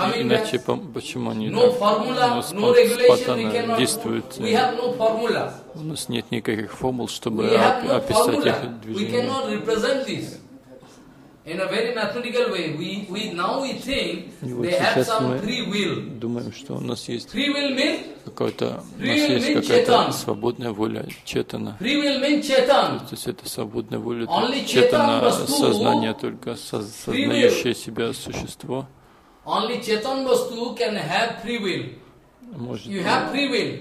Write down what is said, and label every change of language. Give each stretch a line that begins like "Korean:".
Russian: Иначе почему они спонтанно действуют? У нас нет никаких формул, чтобы описать их движение.
English: In a very mathematical way, we think they have some free will.
Russian: Думаем, что у нас есть.
English: Free will means
Russian: какой-то. У нас есть какая-то свободная воля, четана.
English: Free will means четан.
Russian: То есть это свободная воля, четана, сознание только сознающее себя существо.
English: Only четан vastu can have free will. Может, you have free will.